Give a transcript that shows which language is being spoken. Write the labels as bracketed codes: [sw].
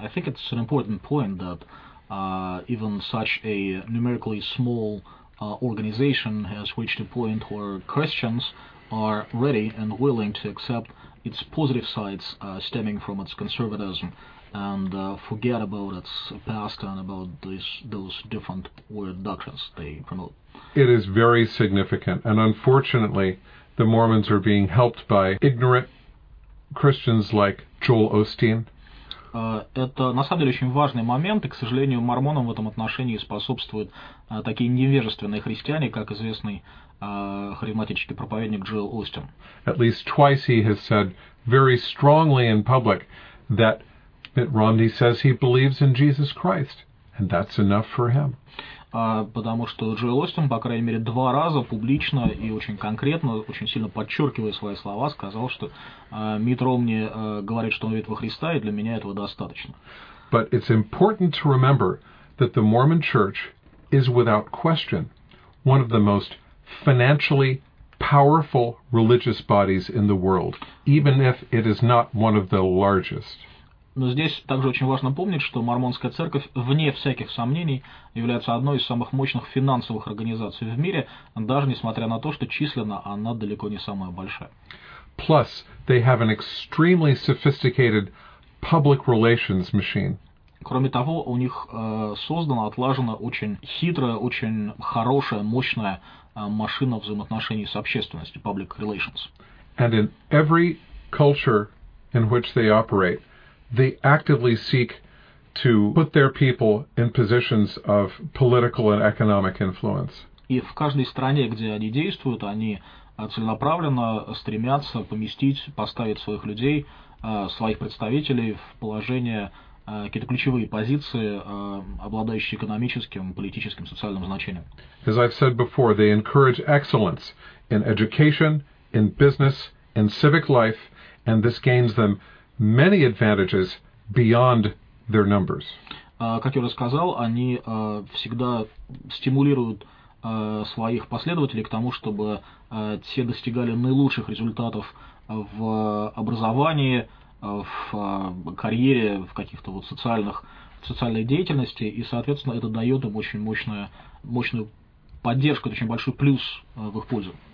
[en] I think it's an important point that even such a numerically small organization has reached a point where Christians are ready and willing to accept its positive sides stemming from its conservatism and forget about its past and about those different weird doctrines they promote. It is very significant. And unfortunately, the Mormons are being helped by ignorant Christians like Joel Osteen. [ru] Это на самом деле очень важный момент, и, к сожалению, мормонам в этом отношении способствуют такие невежественные христиане, как известный харизматический проповедник Джоэл Остин. [en] At least twice he has said very strongly in public that Mitt Romney says he believes in Jesus Christ, and that's enough for him. [ru] Потому что Джоэл Остин, по крайней мере, два раза публично и очень конкретно, очень сильно подчеркивая свои слова, сказал, что Митт Ромни говорит, что он верит во Христа, и для меня этого достаточно. [en] But it's important to remember that the Mormon Church is without question one of the most financially powerful religious bodies in the world, even if it is not one of the largest. [ru] Но здесь также очень важно помнить, что Мормонская церковь, вне всяких сомнений, является одной из самых мощных финансовых организаций в мире, даже несмотря на то, что численно она далеко не самая большая. [en] Plus, they have an extremely sophisticated public relations machine. [ru] Кроме того, у них создана, отлажена очень хитрая, очень хорошая, мощная машина взаимоотношений с общественностью, [en] public relations. And in every culture in which they operate, they actively seek to put their people in positions of political and economic influence. [ru] И в каждой стране, где они действуют, они целенаправленно стремятся поместить, поставить своих людей, своих представителей в положение, какие-то ключевые позиции, обладающие экономическим, политическим, социальным значением. [en] As I've said before, they encourage excellence in education, in business, in civic life, and this gains them many advantages beyond their numbers. [ru] Как я уже сказал, они всегда стимулируют своих последователей к тому, чтобы те достигали наилучших результатов в образовании, в карьере, в каких-то вот социальной деятельности, и, соответственно, это дает им очень мощную поддержку, это очень большой плюс в их пользу.